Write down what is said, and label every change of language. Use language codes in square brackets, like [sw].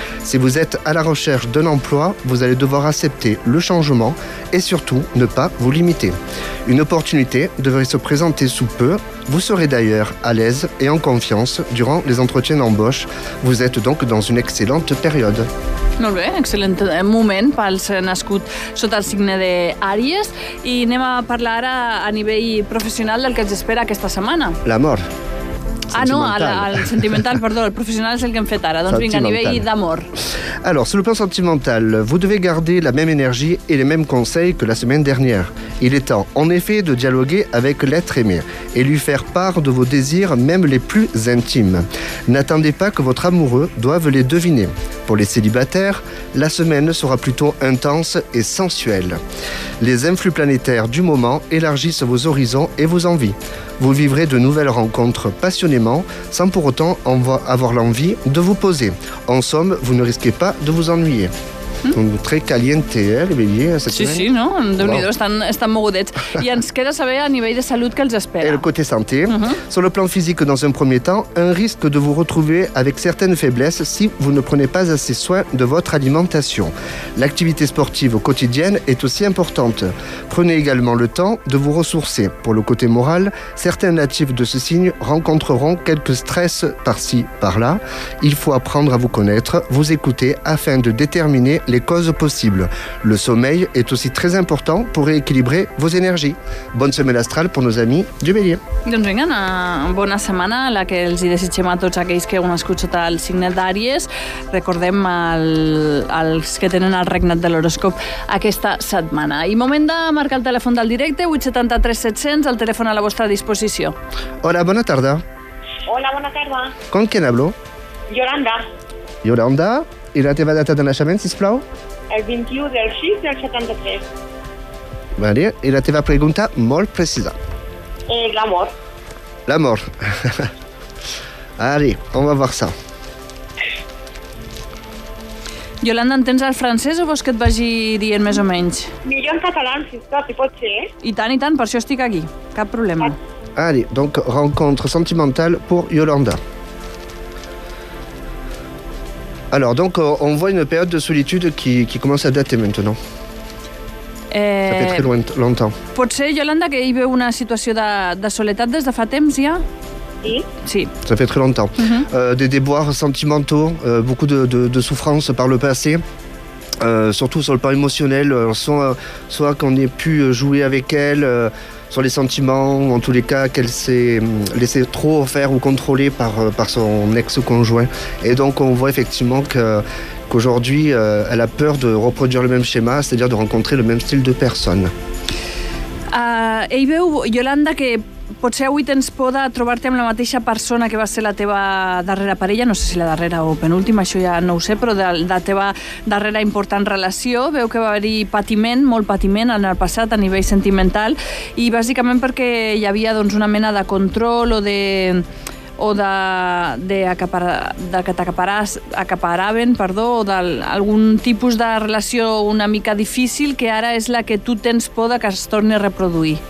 [fr] Si vous êtes à la recherche d'un emploi, vous allez devoir accepter le changement et surtout ne pas vous limiter. Une opportunité devrait se présenter sous peu. Vous serez d'ailleurs à l'aise et en confiance durant les entretiens d'embauche. Vous êtes donc dans une excellente période. [ca] Molt bé, excel·lent moment pels nascuts sota el signe d'Àries. I anem a parlar ara a nivell professional del que ens espera aquesta setmana. L'amor. Ah, no, el sentimental, perdó, el professional és el que hem fet ara. Doncs vinga, a nivell d'amor. [fr] Alors, sur le plan sentimental, vous devez garder la même énergie et les mêmes conseils que la semaine dernière. Il est temps, en effet, de dialoguer avec l'être aimé et lui faire part de vos désirs, même les plus intimes. N'attendez pas que votre amoureux doive les deviner. Pour les célibataires, la semaine sera plutôt intense et sensuelle. Les influx planétaires du moment élargissent vos horizons et vos envies. Vous vivrez de nouvelles rencontres passionnément, sans pour autant avoir l'envie de vous poser. En somme, vous ne risquez pas de vous ennuyer. Mm. Donc, très caliente, les béliers, cette semaine. [ca] Sí, no? Déu-n'hi-do, estan mogudets. I ens queda saber a nivell de salut què els espera. [fr] Et le côté santé. Mm-hmm. Sur le plan physique, dans un premier temps, un risque de vous retrouver avec certaines faiblesses si vous ne prenez pas assez soin de votre alimentation. L'activité sportive quotidienne est aussi importante. Prenez également le temps de vous ressourcer. Pour le côté moral, certains natifs de ce signe rencontreront quelques stress par-ci, par-là. Il faut apprendre à vous connaître, vous écouter, afin de déterminer les causes possibles. Le sommeil est aussi très important pour rééquilibrer vos énergies. Bonne semaine astrale pour nos amis du Bélier. [ca] Doncs vinga, una bona setmana, la que els hi desitgem a tots aquells que heu nascut sota el signe d'Àries. Recordem els que tenen el regnat de l'horòscop aquesta setmana. I moment de marcar el telèfon del directe, 873-700, el telèfon a la vostra disposició. Hola, bona tarda. Hola, bona tarda. [es] Con quién hablo? Yolanda. Yolanda? [ca] I la teva data de naixement, sisplau? El 21 del 6 del 73. Maria, i la teva pregunta molt precisa. L'amor. L'amor. Ari, on va passar? Yolanda, entens el francès o vols que et vagi dient més o menys? Millor en català, si pot ser. I tant, per això estic aquí. Cap problema. [fr] Ari, donc, rencontre sentimental pour Yolanda. Alors, donc, on voit une période de solitude qui commence à dater maintenant. Ça fait très longtemps. [ca] Pot ser, Yolanda, que hi veu una situació de soledat des de fa temps, ja? Sí. Sí. [fr] Ça fait très longtemps. Mm-hmm. Des déboires sentimentaux, beaucoup de souffrance par le passé, surtout sur le plan émotionnel, soit qu'on ait pu jouer avec elle, sur les sentiments, ou en tous les cas qu'elle s'est laissée trop faire ou contrôler par son ex-conjoint. Et donc on voit effectivement qu'aujourd'hui, elle a peur de reproduire le même schéma, c'est-à-dire de rencontrer le même style de personne. [ca] Ell veu, Yolanda, que potser avui tens por de trobar-te amb la mateixa persona que va ser la teva darrera parella, no sé si la darrera o penúltima, això ja no ho sé, però de la teva darrera important relació. Veu que va haver-hi patiment, molt patiment en el passat a nivell sentimental, i bàsicament perquè hi havia doncs una mena de control d'algun tipus de relació una mica difícil que ara és la que tu tens por de que es torni a reproduir.